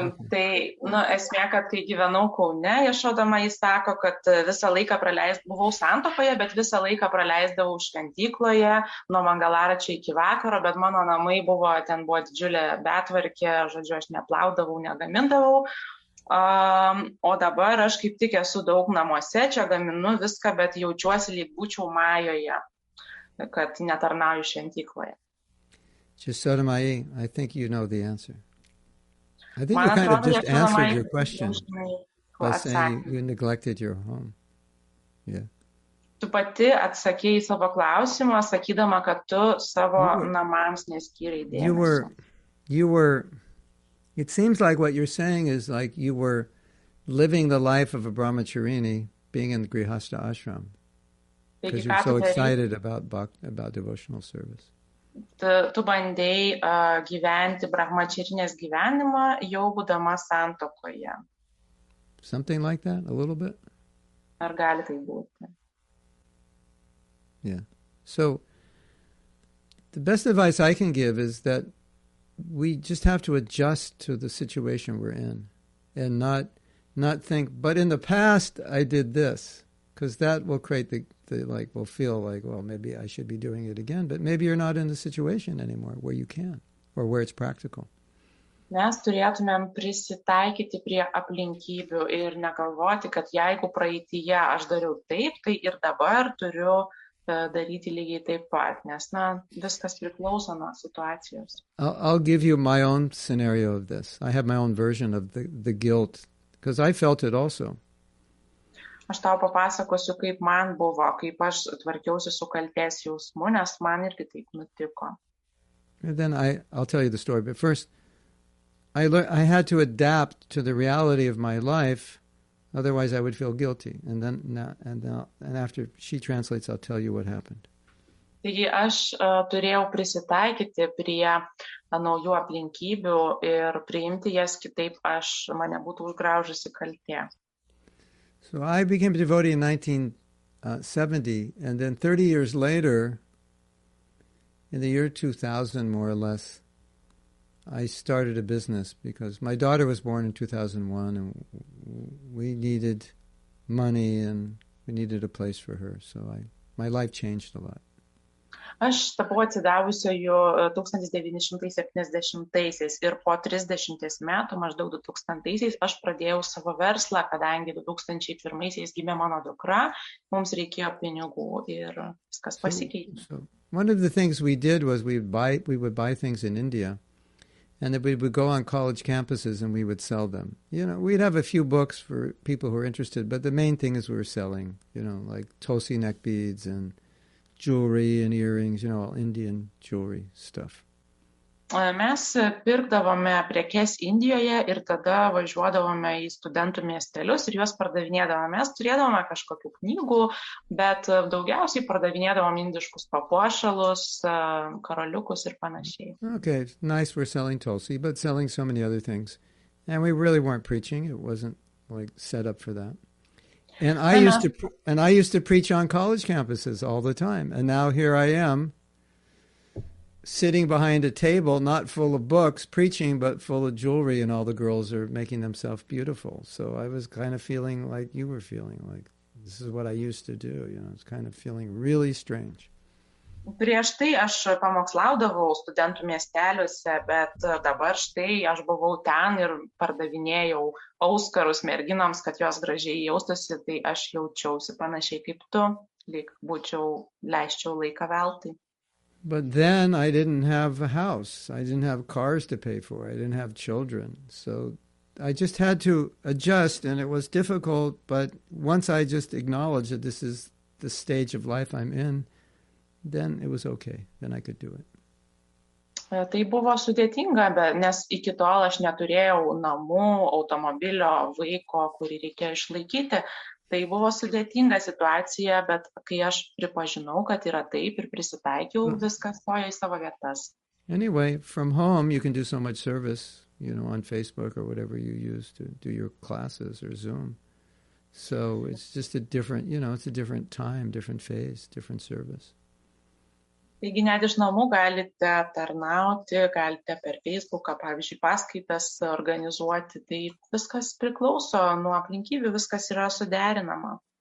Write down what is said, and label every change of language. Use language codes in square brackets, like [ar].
[lt] Tai, nu, esmė, kad kai gyvenau Kaune, išodama, jis sako, kad visą laiką buvau santokoje, bet visą laiką praleisdavau šventykloje nuo Mangalaračio iki vakaro, bet mano namai buvo, ten buvo didžiulė betvarkė, žodžiu, aš neplaudavau, negamindavau. O dabar aš kaip tik esu daug namuose, čia gaminu viską, bet jaučiuosi, lyg būčiau majoje, kad netarnauju šventykloje. [en] Jasodamai, I think you know the answer. I think you kind of just answered your question by saying you neglected your home. Yeah. [lt] Tu pati atsakei į savo klausimą, sakydama, kad tu savo namams neskyrei dėmesio. [en] You were, it seems like what you're saying is like you were living the life of a brahmacharini being in the grihastha ashram. Because you're so excited about devotional service. [lt] Tu bandėjai gyventi brahmačirinės gyvenimą jau būdama santokoje. [en] Something like that, a little bit? [lt] Ar gali tai būti? [en] Yeah. So, the best advice I can give is that we just have to adjust to the situation we're in and not think, but in the past I did this. Because that will create the like, will feel like, well, maybe I should be doing it again. But maybe you're not in the situation anymore where you can or where it's practical. [lt] Mes turėtumėm prisitaikyti prie aplinkybių ir negalvoti, kad jeigu praeityje aš dariau taip, tai ir dabar turiu daryti lygiai taip pat. Nes, na, viskas priklauso nuo situacijos. [en] I'll give you my own scenario of this. I have my own version of the guilt because I felt it also. [lt] Aš tau papasakosiu, kaip man buvo, kaip aš tvarkiausi su kaltės jausmu, nes man irgi taip nutiko. [en] And then I'll tell you the story, but first I had to adapt to the reality of my life, otherwise I would feel guilty. And then after she translates, I'll tell you what happened. [lt] Taigi aš turėjau prisitaikyti prie naujų aplinkybių ir priimti jas kitaip, aš mane būtų užgraužusi kaltė. [en] So I became a devotee in 1970, and then 30 years later, in the year 2000, more or less, I started a business because my daughter was born in 2001, and we needed money, and we needed a place for her. So my life changed a lot. [lt] Aš tapau atsidavusio jo 1970-aisiais ir po 30 metų, maždaug 2000-aisiais, aš pradėjau savo verslą, kadangi 2001-aisiais gimė mano dukra, mums reikėjo pinigų ir viskas pasikeitė. [en] So, one of the things we did was we would buy things in India and then we would go on college campuses and we would sell them. You know, we'd have a few books for people who are interested, but the main thing is we were selling, you know, like Tulsi neck beads and jewelry and earrings, you know, all Indian jewelry stuff. [lt] Mes pirkdavome prekes Indijoje ir tada važiuodavome į studentų miestelius ir juos pardavinėdavome. Mes turėdavome kažkokių knygų, bet daugiausiai pardavinėdavome indiškus papuošalus, karoliukus ir panašiai. [en] Okay, nice we're selling Tulsi, but selling so many other things. And we really weren't preaching, it wasn't like set up for that. And I used to preach on college campuses all the time. And now here I am. Sitting behind a table, not full of books, preaching, but full of jewelry, and all the girls are making themselves beautiful. So I was kind of feeling like you were feeling, like this is what I used to do. You know, it's kind of feeling really strange. [lt] Prieš tai aš pamokslaudavau studentų miesteliuose, bet dabar štai aš buvau ten ir pardavinėjau auskarus merginoms, kad jos gražiai jaustosi, tai aš jaučiausi panašiai kaip tu, lyg būčiau leisčiau laiką veltui. [en] But then I didn't have a house. I didn't have cars to pay for. I didn't have children. So I just had to adjust, and it was difficult. But once I just acknowledged that this is the stage of life I'm in, then it was okay. Then I could do it. [lt] Tai buvo sudėtinga, bet nes iki tol aš neturėjau namų, automobilio, vaiko, kurį reikia išlaikyti. Tai buvo sudėtinga situacija, bet kai aš pripažinau, kad yra taip ir prisitaikiau, viskas stojo į savo vietas. [en] Anyway, from home you can do so much service, you know, on Facebook or whatever you use to do your classes or Zoom. So it's just a different, you know, it's a different time, different phase, different service. [lt] Taigi net iš namų galite tarnauti, galite per Facebooką, pavyzdžiui, paskaitas organizuoti. Tai viskas priklauso nuo aplinkybių, viskas yra suderinama.